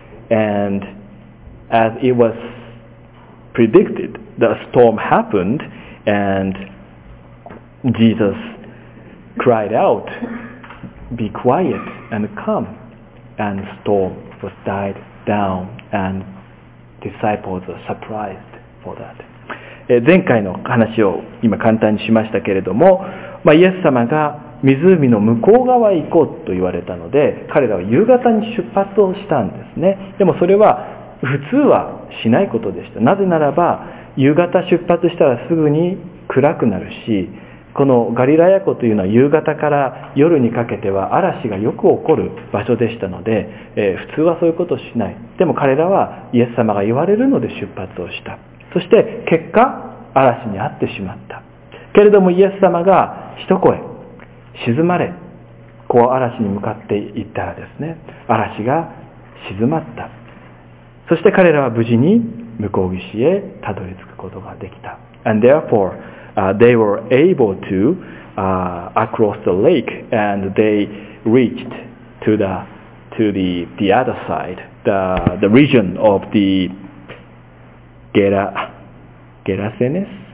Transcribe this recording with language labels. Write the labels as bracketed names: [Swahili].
[English] And as it was predicted, the storm happened, andJesus cried out, "Be quiet and calm." And the storm was died down, and disciples were surprised for that. [Japanese] 前回の話を今簡単にしましたけれども、まあ、イエス様が湖の向こう側へ行こうと言われたので、彼らは夕方に出発をしたんですね。でもそれは普通はしないことでした。なぜならば、夕方出発したらすぐに暗くなるし、このガリラヤ湖というのは夕方から夜にかけては嵐がよく起こる場所でしたので、普通はそういうことをしない。でも彼らはイエス様が言われるので出発をした。そして結果嵐に遭ってしまった。けれどもイエス様が一声静まれ、こう嵐に向かっていったらですね、嵐が静まった。そして彼らは無事に向こう岸へたどり着くことができた。 [English] And thereforeThey were able to across the lake, and they reached to the other side, the region of the Gerasenes.